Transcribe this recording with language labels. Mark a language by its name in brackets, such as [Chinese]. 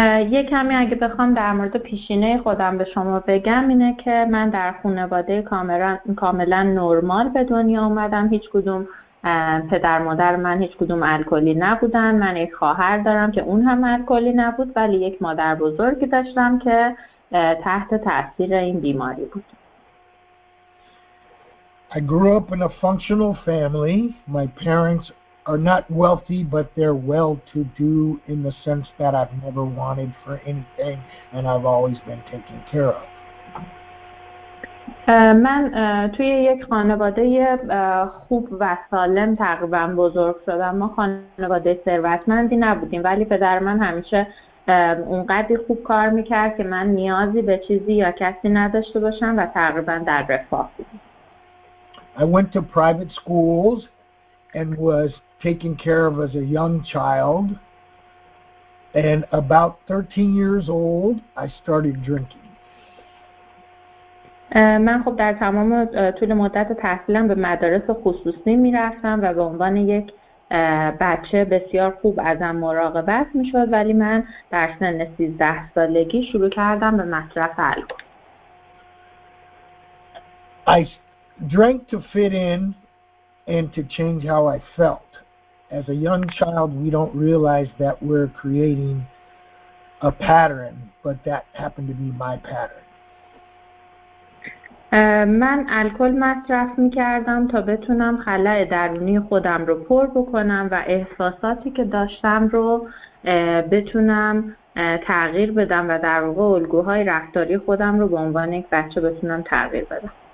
[Persian] یه کمی اگه بخوام در مورد پیشینه خودم به شما بگم اینه که من در خانواده کاملا نرمال به دنیا اومدم. هیچ کدوم پدر مادر من هیچ کدوم الکلی نبودن. من یک خواهر دارم که اون هم الکلی نبود، ولی یک مادر بزرگی داشتم که تحت تاثیر این بیماری بود. [English] I grew up in a functional family. My parents are not wealthy, but they're well-to-do in the sense that I've never wanted for anything and I've always been taken care of. [Persian] من توی یک خانواده خوب و سالم تقریبا بزرگ شدم. ما خانواده ثروتمندی نبودیم، ولی پدر من همیشه اونقدر خوب کار میکرد که من نیازی به چیزی یا کسی نداشته باشم و تقریبا در رفاه بودم. [English] I went to private schools and was taken care of as a young child. And about 13 years old, I started drinking. [Persian] من خب در تمام طول مدت تحصیلم به مدارس خصوصی می رفتم و به عنوان یک بچه بسیار خوب ازم مراقبت می شد، ولی من در سن 13 سالگی شروع کردم به مصرف الکل. [English] I drank to fit in and to change how I felt. As a young child, we don't realize that we're creating a pattern, but that happened to be my pattern. [Persian] من الکل مصرف می‌کردم تا بتونم خلأ درونی خودم رو پر بکنم و احساساتی که داشتم رو بتونم تغییر بدم و در واقع الگوهای رفتاری خودم رو به عنوان یک بچه بتونم تغییر بدم.